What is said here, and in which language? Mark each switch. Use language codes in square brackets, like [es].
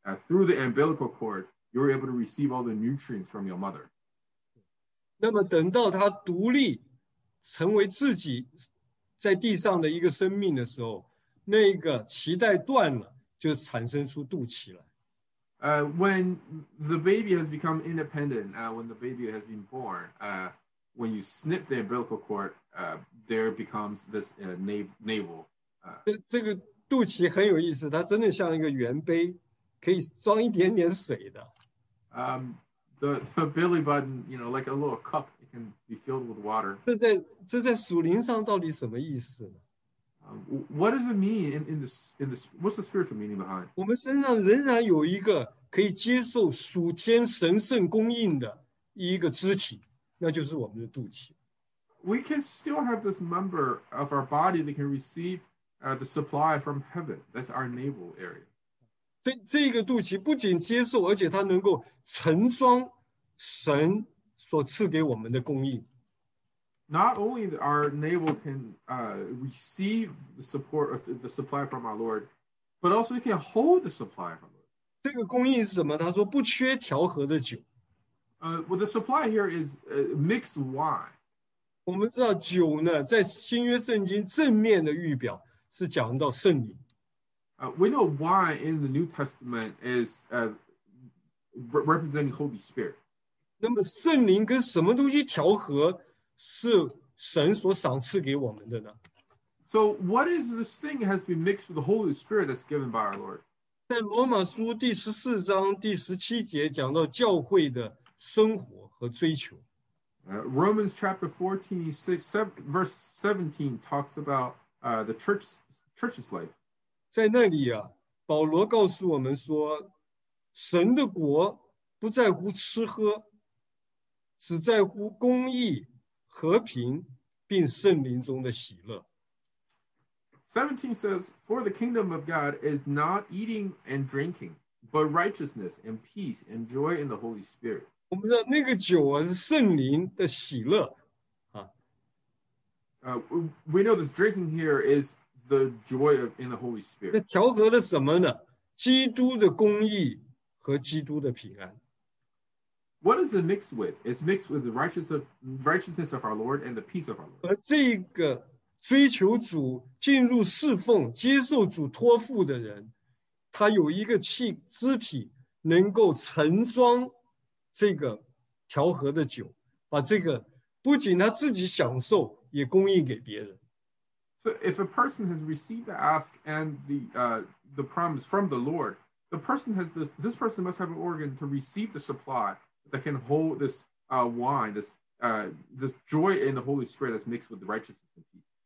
[en] Through the umbilical cord, you're able to receive all the nutrients from your mother. [zh] 那么等到他独立成为自己在地上的一个生命的时候，那个脐带断了，就产生出肚脐了。 [en] When the baby has become independent, when the baby has been born, when you snip the umbilical cord, there becomes this navel. [zh] 这个肚脐很有意思，它真的像一个圆杯，可以装一点点水的。 [en] The belly button, you know, like a little cup, it can be filled with water. [zh] 这在属灵上到底什么意思呢？ [en] What does it mean in this? What's the spiritual meaning behind? [zh] 我们身上仍然有一个可以接受属天神圣供应的一个肢体，那就是我们的肚脐。 [en] We can still have this member of our body that can receive the supply from heaven. That's our navel area. [zh] 这个肚脐不仅接受，而且它能够盛装神所赐给我们的供应。 [en] Not only that our navel can receive the support of the supply from our Lord, but also it can hold the supply from our Lord. [zh] 这个供应是什么？他说不缺调和的酒。 [en] Well, the supply here is mixed wine. [zh] 我们知道酒呢，在新约圣经正面的预表是讲到圣灵。 [en] We know wine in the New Testament is representing Holy Spirit. [zh] 那么圣灵跟什么东西调和？是神所赏赐给我们的呢。 [en] So what is this thing has been mixed with the Holy Spirit that's given by our Lord? [zh] 在罗马书第十四章第十七节讲到教会的生活和追求。 [en] Romans chapter 14, 6, 7, verse 17 talks about the church's life. [zh] 在那里啊，保罗告诉我们说，神的国不在乎吃喝，只在乎公义。和平并圣灵中的喜乐。 [en] 17 says, For the kingdom of God is not eating and drinking, but righteousness and peace and joy in the Holy Spirit. [zh] 我们知道那个酒啊是圣灵的喜乐。 [en] We know this drinking here is the joy of, in the Holy Spirit. [zh] 那调和了什么呢？基督的公义和基督的平安。 [en] What is it mixed with? It's mixed with the righteousness of our Lord and the peace of our Lord. [zh] 而这个追求主、进入侍奉、接受主托付的人，他有一个肢体能够盛装这个调和的酒，把这个不仅他自己享受，也供应给别人。 [en] So if a person has received the ask and the promise from the Lord, the person has this person must have an organ to receive the supply. That can hold this wine, this joy in the Holy Spirit that's mixed with the righteousness and peace.